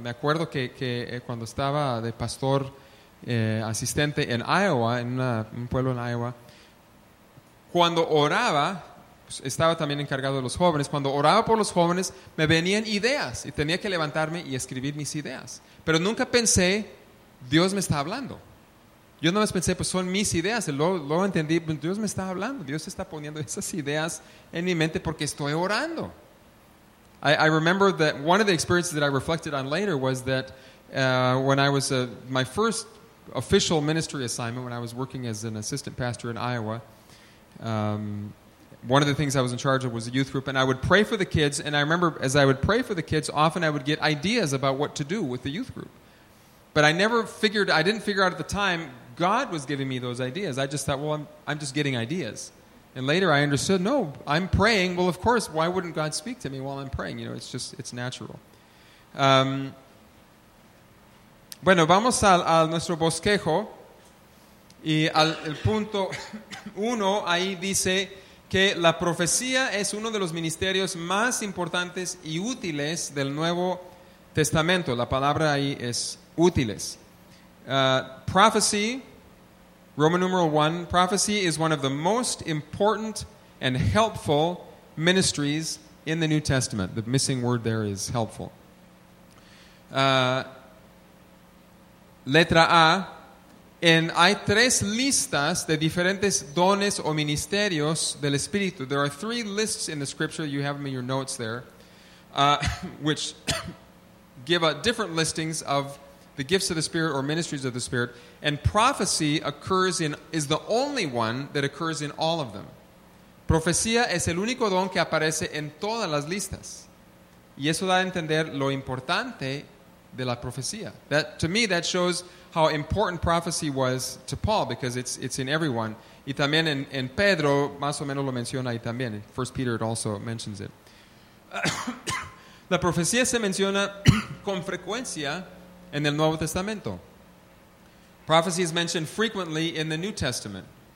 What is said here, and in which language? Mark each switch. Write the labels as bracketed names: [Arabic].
[Spanish] Me acuerdo que cuando estaba de pastor asistente en Iowa, en un pueblo en Iowa, cuando oraba, pues estaba también encargado de los jóvenes, cuando oraba por los jóvenes me venían ideas y tenía que levantarme y escribir mis ideas, pero nunca pensé Dios me está hablando. Yo no más pensé, pues son mis ideas, y luego entendí, pues Dios me está hablando, Dios está poniendo esas ideas en mi mente porque estoy orando. [English] I remember that one of the experiences that I reflected on later was that when I was my first official ministry assignment, when I was working as an assistant pastor in Iowa, one of the things I was in charge of was a youth group, and I would pray for the kids, and I remember as I would pray for the kids, often I would get ideas about what to do with the youth group. But I didn't figure out at the time God was giving me those ideas. I just thought, well, I'm just getting ideas. And later I understood, no, I'm praying. Well, of course, why wouldn't God speak to me while I'm praying? You know, it's natural. [Spanish] Bueno, vamos a nuestro bosquejo. Y el punto uno ahí dice que la profecía es uno de los ministerios más importantes y útiles del Nuevo Testamento. La palabra ahí es útiles. [English] Prophecy, Roman numeral 1, prophecy is one of the most important and helpful ministries in the New Testament. The missing word there is helpful. [Spanish] Letra A, hay tres listas de diferentes dones o ministerios del Espíritu. [English] There are three lists in the scripture, you have them in your notes there, which give a different listings of the gifts of the Spirit or ministries of the Spirit, and prophecy is the only one that occurs in all of them. [Spanish] Profecía es el único don que aparece en todas las listas. Y eso da a entender lo importante de la profecía. [English] That, to me, that shows how important prophecy was to Paul, because it's in everyone. [Spanish] Y también en Pedro, más o menos lo menciona ahí también. [English] In 1 Peter, it also mentions it. [Spanish] La profecía se menciona con frecuencia en el Nuevo Testamento. [English] Prophecy is mentioned frequently in the New Testament.